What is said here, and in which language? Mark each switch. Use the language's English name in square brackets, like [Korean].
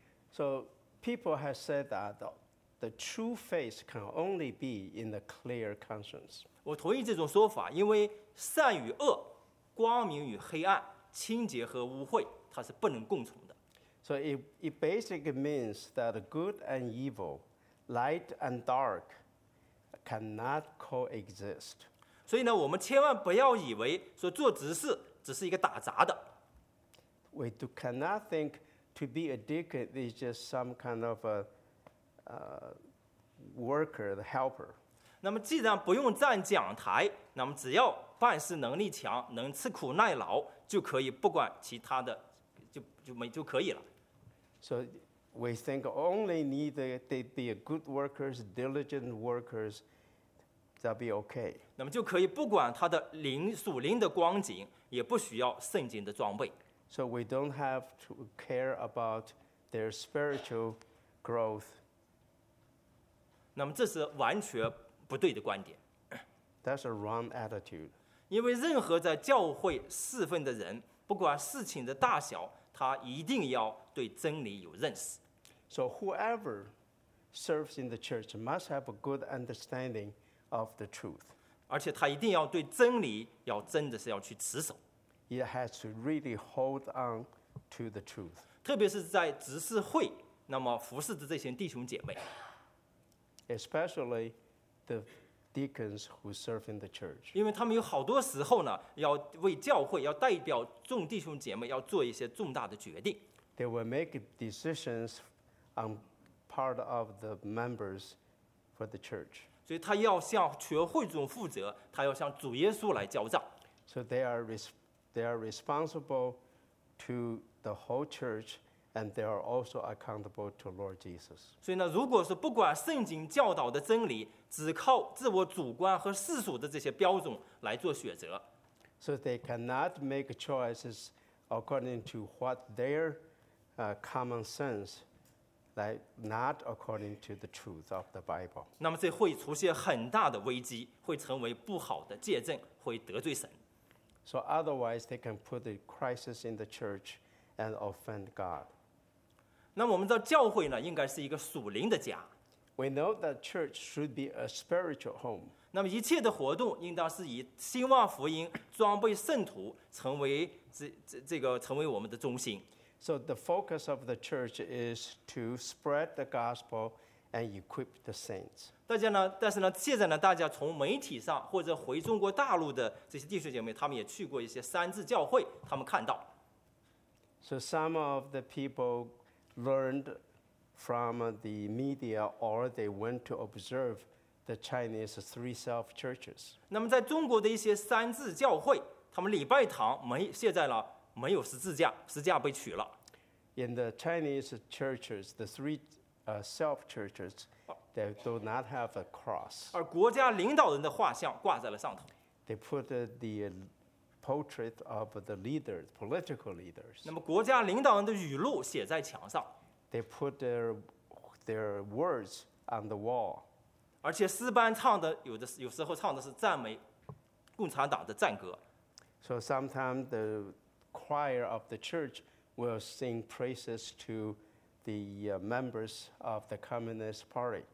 [English] So people have said that the true faith can only be in the clear conscience. [Chinese] 我同意这种说法，因为善与恶、光明与黑暗、清洁和污秽，它是不能共存的。 [English] So it basically means that good and evil, light and dark cannot coexist. [Chinese] 所以呢，我们千万不要以为说做执事只是一个打杂的。 [English] We do cannot think to be a deacon is just some kind of a worker, the helper. [Chinese] 那么既然不用站讲台，那么只要办事能力强，能吃苦耐劳，就可以不管其他的，就可以了。 [English] So we think only need they be a good workers, diligent workers, that be okay. [Chinese] 那么就可以不管他的灵属灵的光景，也不需要圣经的装备。 [English] So we don't have to care about their spiritual growth. [Chinese] 那么这是完全不对的观点。 [English] That's a wrong attitude. [Chinese] 因为任何在教会侍奉的人，不管事情的大小，他一定要对真理有认识。 [English] So whoever serves in the church must have a good understanding of the truth. [Chinese] 而且他一定要对真理要真的是要去持守。 [English] He has to really hold on to the truth. [Chinese] 特别是在执事会那么服侍的这些弟兄姐妹。 [English] Especially the deacons who serve in the church. [Chinese] 因为他们有好多时候呢，要为教会，要代表众弟兄姐妹，要做一些重大的决定。 [English] They will make decisions on part of the members for the church. [Chinese] 所以他要向全会众负责，他要向主耶稣来交账。 [English] So they are responsible to the whole church, and they are also accountable to Lord Jesus. [Chinese] 所以呢，如果是不管圣经教导的真理，只靠自我主观和世俗的这些标准来做选择。 [English] So they cannot make choices according to what their common sense, like not according to the truth of the Bible. [Chinese] 那么这会出现很大的危机，会成为不好的见证，会得罪神。 [English] So otherwise, they can put the crisis in the church and offend God. [Chinese] 那我们知道教会呢，应该是一个属灵的家。 [English] We know that church should be a spiritual home. [Chinese] 那么一切的活动应当是以兴旺福音、装备圣徒，成为我们的中心。 [English] So the focus of the church is to spread the gospel and equip the saints. [Chinese] 大家呢？但是呢，现在呢，大家从媒体上或者回中国大陆的这些弟兄姐妹，他们也去过一些三自教会，他们看到。 [English] So some of the people learned from the media, or they went to observe the Chinese three self churches. [Chinese] 那么在中国的一些三自教会，他们礼拜堂没有十字架，十字架被取了。 [English] In the Chinese churches, the threeself churches, they do not have a cross. [Chinese] 而国家领导人的画像挂在了上头。 [English] They put the portrait of the leaders, political leaders. [Chinese] 那么国家领导人的语录写在墙上。 [English] They put their words on the wall. [Chinese] 而且诗班唱的有时候唱的是赞美共产党的赞歌。 [English] So sometimes the choir of the church will sing praises to the members of the Communist Party.